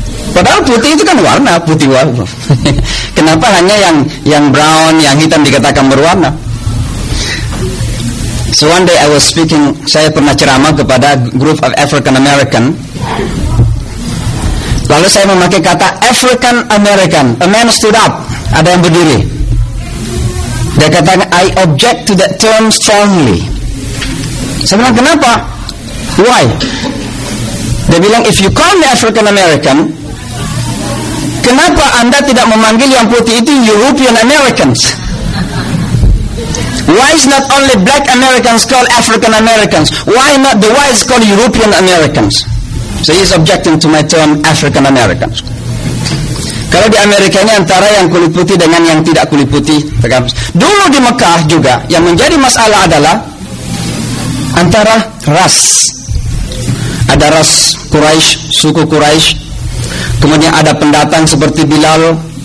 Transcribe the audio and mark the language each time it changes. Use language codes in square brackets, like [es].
[id] Padahal putih itu kan warna, putih warna. Kenapa hanya yang brown, yang hitam dikatakan berwarna? [en] So one day I was speaking, [id] saya pernah ceramah kepada [en] group of African American. Lalu saya memakai kata African American. A man stood up, [id] ada yang berdiri. Dia katakan, [en] I object to that term strongly. [id] Saya bilang, kenapa? [en] Why? [id] Dia bilang, [en] if you call me African American, [id] kenapa Anda tidak memanggil yang putih itu European Americans? [en] Why is not only black Americans called African Americans? Why not the whites called European Americans? So he is objecting to my term African Americans. [id] Kalau di Amerika ini antara yang kulit putih dengan yang tidak kulit putih. Dulu di Mekah juga yang menjadi masalah adalah antara ras. Ada ras Quraisy, suku Quraisy. Kemudian ada pendatang seperti Bilal.